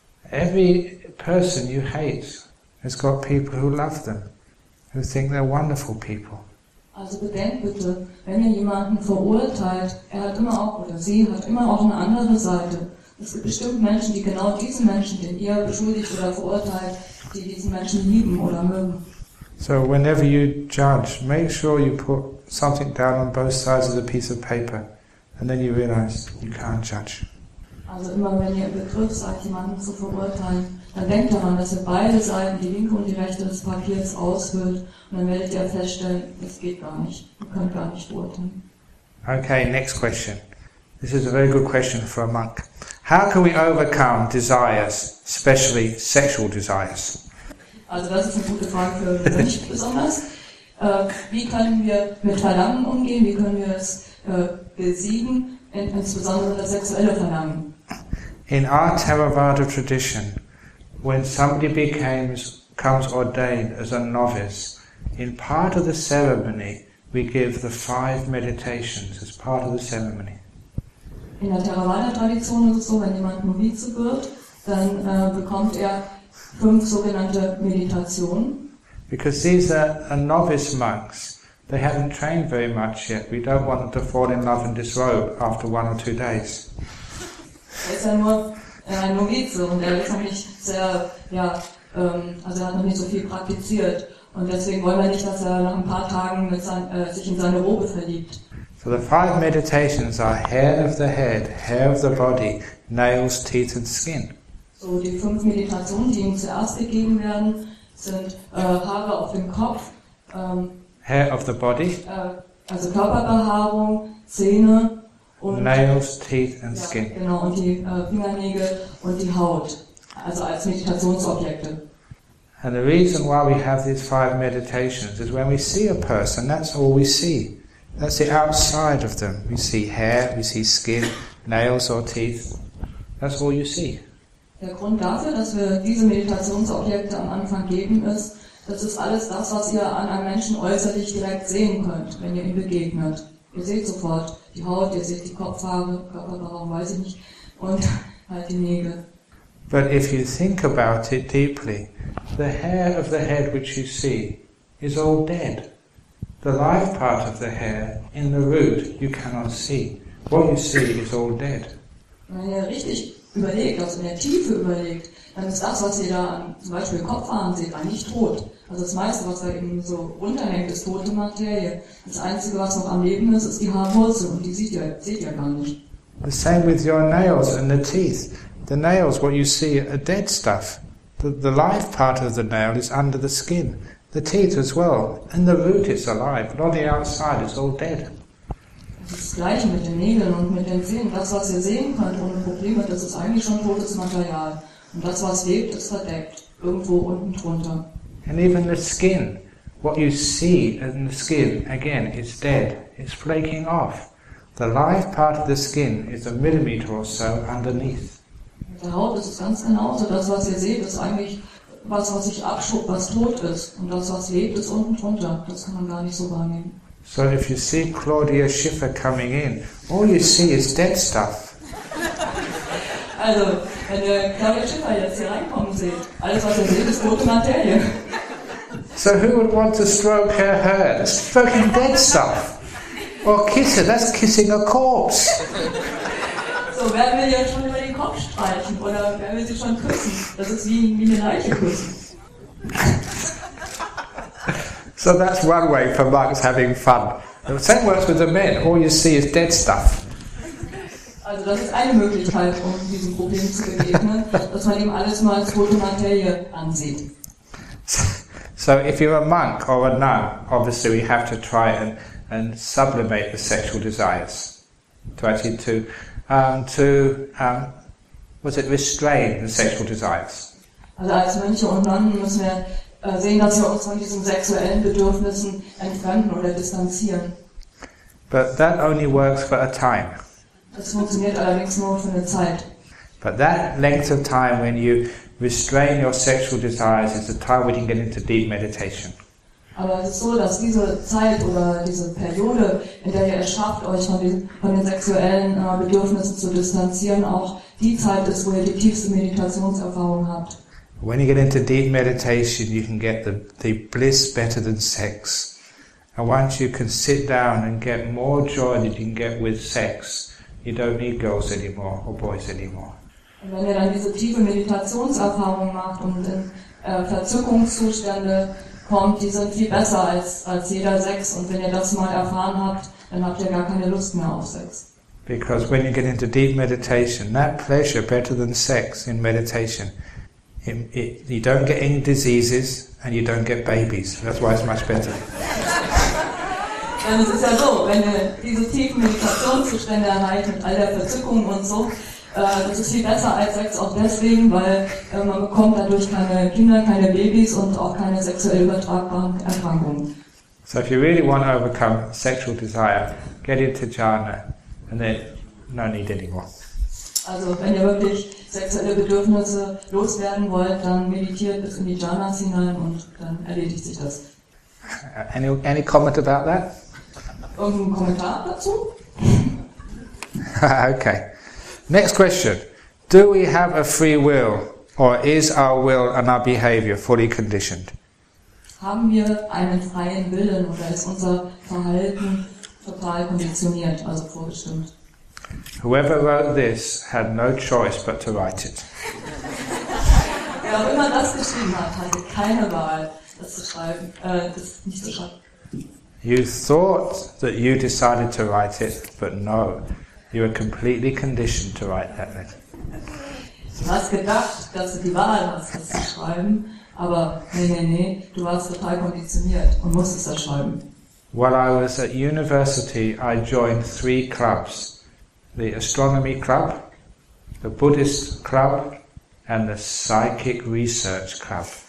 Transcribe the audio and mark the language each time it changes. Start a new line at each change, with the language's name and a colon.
English: Every person you hate has got people who love them, who think they're wonderful people.
German: Also bedenkt bitte, wenn ihr jemanden verurteilt, er hat immer auch, oder sie hat immer auch eine andere Seite. Es gibt bestimmt Menschen, die genau diesen Menschen, den ihr beschuldigt oder verurteilt, die diesen Menschen lieben oder mögen.
English: So whenever you judge, make sure you put something down on both sides of the piece of paper, and then you realize you can't judge.
German: Also immer wenn ihr im Begriff seid, jemanden zu verurteilen, dann denkt daran, dass ihr beide Seiten, die linke und die rechte des Papiers, ausfüllt, und dann werdet ihr feststellen, es geht gar nicht, ihr könnt gar nicht urteilen.
English: Okay, next question. This is a very good question for a monk. How can we overcome desires, especially sexual desires?
German: Also das ist eine gute Frage für mich besonders. Wie können wir mit Verlangen umgehen, wie können wir es besiegen, insbesondere das sexuelle Verlangen?
English: In our Theravada tradition, when somebody comes ordained as a novice, in part of the ceremony, we give the five meditations as part of the ceremony.
German: In der Theravada-Tradition ist es so, wenn jemand Novize wird, dann bekommt er fünf sogenannte Meditationen.
English: Because these are novice monks, they haven't trained very much yet. We don't want them to fall in love and disrobe after one or two days.
German: Er ist ja nur ein Novize und er ist noch nicht sehr, also er hat noch nicht so viel praktiziert. Und deswegen wollen wir nicht, dass er nach ein paar Tagen sich in seine Robe verliebt.
English: So the five meditations are hair of the head, hair of the body, nails, teeth and skin.
German: So die fünf Meditationen, die ihm zuerst gegeben werden, sind Haare auf dem Kopf,
English: hair of the body,
German: also Körperbehaarung, Zähne, und
English: nails, teeth and skin.
German: Genau, und die Fingernägel und die Haut, also als Meditationsobjekte.
English: And the reason why we have these five meditations is when we see a person, that's all we see. That's the outside of them. We see hair, we see skin, nails or teeth. That's all you see.
German: Der Grund dafür, dass wir diese Meditationsobjekte am Anfang geben, ist, das ist alles das, was ihr an einem Menschen äußerlich direkt sehen könnt, wenn ihr ihm begegnet. Ihr seht sofort die Haut, ihr seht die Kopfhaare, Körperbehaarung, weiß ich nicht, und halt die Nägel.
English: But if you think about it deeply, the hair of the head which you see is all dead. The life part of the hair in the root you cannot see. What you see is all dead.
German: Wenn ihr richtig überlegt, also in der Tiefe überlegt, dann ist das, was ihr da zum Beispiel Kopfhaaren seht, eigentlich tot. Also das meiste, was da eben so runterhängt, ist tote Materie. Das Einzige, was noch am Leben ist, ist die Haarwurzel, und die seht ihr gar nicht.
English: The same with your nails and the teeth. The nails, what you see, are dead stuff. The life part of the nail is under the skin. The teeth as well. And the root is alive, but on the outside it's all dead.
German: Das Gleiche mit den Nägeln und mit den Zähnen. Das, was ihr sehen könnt ohne Probleme, das ist eigentlich schon totes Material. Und das, was lebt, ist verdeckt, irgendwo unten drunter.
English: And even the skin, what you see in the skin, again, is dead. It's flaking off. The live part of the skin is a millimeter or so underneath.
German: Mit der Haut ist es ganz genauso. Das, was ihr seht, ist eigentlich was sich abschob, was tot ist. Und das, was lebt, ist unten drunter. Das kann man gar nicht so wahrnehmen.
English: So if you see Claudia Schiffer coming in, all you see is dead stuff.
German: Also, wenn ihr Claudia Schiffer jetzt hier reinkommen seht, alles was ihr seht, ist tote Materie.
English: So who would want to stroke her hair? That's fucking dead stuff. Or kiss her, that's kissing a corpse.
German: so, werden wir jetzt schon über den Kopf streichen oder werden wir sie schon küssen? Das ist wie eine Leiche küssen.
English: So that's one way for monks having fun. The same works with the men. All you see is dead stuff.
German: Also das ist eine Möglichkeit, um diesem Problem zu begegnen, dass man eben alles mal als tote Materie ansieht.
English: So if you're a monk or a nun, obviously we have to try and sublimate the sexual desires. Restrain the sexual desires.
German: Also als Mönche und Nonnen müssen wir sehen, dass wir uns von diesen sexuellen Bedürfnissen entfernen oder distanzieren.
English: But that only works for a time.
German: Das funktioniert allerdings nur für eine Zeit.
English: But that length of time when you restrain your sexual desires is the time we can get into deep meditation.
German: Aber es ist so, dass diese Zeit oder diese Periode, in der ihr es schafft, euch von den sexuellen Bedürfnissen zu distanzieren, auch die Zeit ist, wo ihr die tiefste Meditationserfahrung habt.
English: When you get into deep meditation, you can get the bliss better than sex. And once you can sit down and get more joy than you can get with sex, you don't need girls anymore or boys anymore.
German: Und wenn ihr dann diese tiefe Meditationserfahrung macht und in Verzückungszustände kommt, die sind viel besser als jeder Sex. Und wenn ihr das mal erfahren habt, dann habt ihr gar keine Lust mehr auf Sex.
English: Because when you get into deep meditation, that pleasure better than sex in meditation. You don't get any diseases and you don't get babies. That's why it's much better.
German: Und es ist ja so, wenn ihr diese tiefen Meditationszustände erreicht mit all der Verzückung und so, das ist viel besser als Sex auch deswegen, weil man bekommt dadurch keine Kinder, keine Babys und auch keine sexuell übertragbaren Erkrankungen.
English: So if you really want to overcome sexual desire, get into jhana and then no need anymore.
German: Also wenn ihr wirklich sexuelle Bedürfnisse loswerden wollt, dann meditiert bis in die Jhanas hinein und dann erledigt sich das.
English: Any comment about that?
German: Irgendein Kommentar dazu?
English: Okay. Next question. Do we have a free will, or is our will and our behavior fully conditioned?
German: Haben wir einen freien Willen, oder ist unser Verhalten total konditioniert, also vorbestimmt?
English: Whoever wrote this had no choice but to write it.
German: Wer auch immer das geschrieben hat, hatte keine Wahl, das nicht zu schreiben.
English: You thought that you decided to write it, but no. You are completely conditioned to write that letter.
German: Du hast gedacht, dass du die Wahl hast, das zu schreiben, aber nee, du warst total konditioniert und musstest das schreiben.
English: While I was at university, I joined 3 clubs. The Astronomy Club, the Buddhist Club, and the Psychic Research Club.